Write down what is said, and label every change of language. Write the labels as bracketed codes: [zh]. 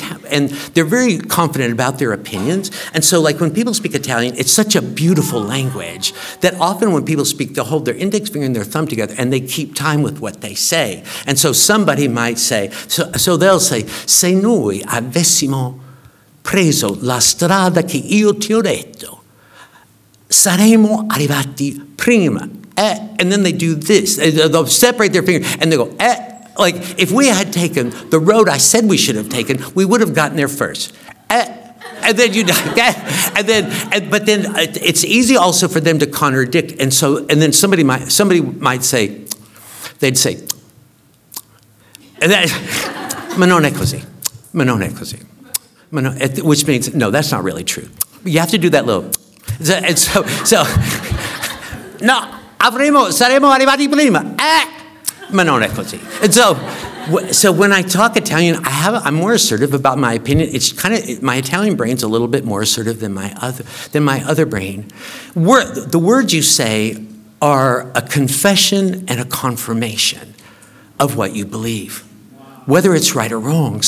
[en] And they're very confident about their opinions. And so, like, when people speak Italian, it's such a beautiful language that often when people speak, they'll hold their index finger and their thumb together and they keep time with what they say. And so somebody might say, so they'll say, [it] se noi avessimo preso la strada che io ti ho detto, saremmo arrivati prima. [en] And then they do this. They'll separate their fingers and they go, eh. Like, if we had taken the road I said we should have taken, we would have gotten there first. Eh. And then you die. But then it's easy also for them to contradict. And then somebody might say, they'd say, and then, [it] ma non è così, [en] which means, no, that's not really true. You have to do that little, no. [it] Avremo, saremo arrivati prima. Ma non è così. [en] And so when I talk Italian, I'm more assertive about my opinion. It's kind of, my Italian brain's a little bit more assertive than my other brain. The words you say are a confession and a confirmation of what you believe, whether it's right or wrong.